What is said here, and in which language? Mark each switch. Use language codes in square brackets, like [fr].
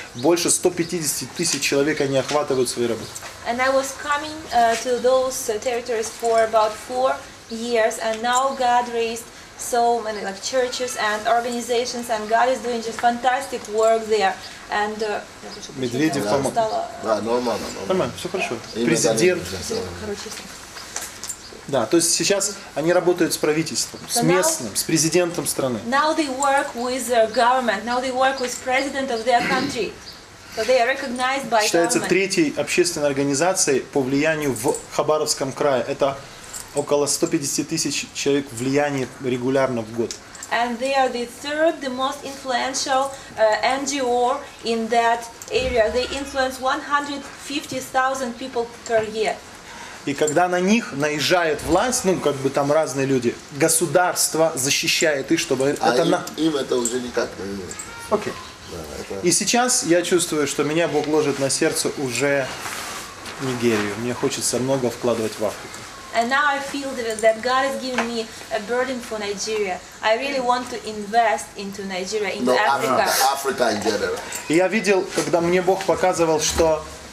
[ru] Больше 150 тысяч человек они охватывают свои работы. [en] And I was coming to those territories for about 4 years, and now God raised so many like churches and organizations, and God is doing just fantastic work there. And [ru] Медведев нормально. Все хорошо. Президент. Да, то есть сейчас они работают с правительством, с местным, с президентом страны. [en] Now they work with the government. Now they work with president of their country. So they are recognized by government. [ru] Считается третьей общественной организацией по влиянию в Хабаровском крае. Это около 150 тысяч человек влияние регулярно в год. [en] And they are the third, the most influential NGO in that area. They influence 150,000 people per year. [ru] И когда на них наезжает власть, ну, как бы там разные люди, государство защищает их, чтобы... Им это уже никак не... Окей. И сейчас я чувствую, что меня Бог ложит на сердце уже Нигерию. Мне хочется много вкладывать в Африку. [en] And now I feel that God has given me a burden for Nigeria. I really want to invest into Nigeria, into Africa. Africa in general. [ru] И я видел, когда мне Бог показывал, что...